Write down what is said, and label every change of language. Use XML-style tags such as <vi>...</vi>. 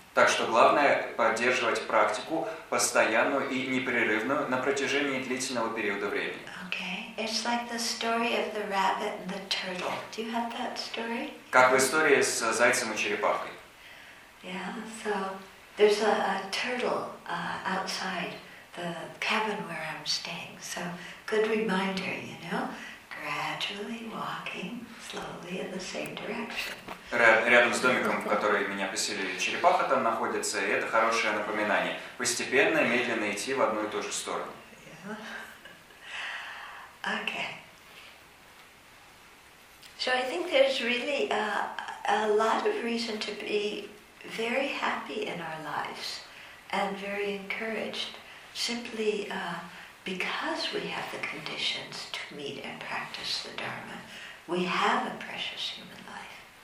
<ru>Так что главное – поддерживать практику постоянную и непрерывную на протяжении длительного периода времени. Okay.</ru> <en>It's like the story of the rabbit and the turtle. Do you have that story?</en> <ru>Как в истории с зайцем и черепахой.</ru> <en>Yeah, so there's a turtle outside the cabin where I'm staying. So, good reminder, you know. Gradually walking slowly in the same direction.</en> <ru>Рядом с домиком, в который меня поселили, черепаха там находится, и это хорошее напоминание. Постепенно, медленно идти в одну и ту же сторону. Yeah. Okay.</ru> <en>So I think there's really a lot of reason to be very happy in our lives and very encouraged. Simply because we have the conditions to meet and practice the Dharma, we have a precious human life.</en>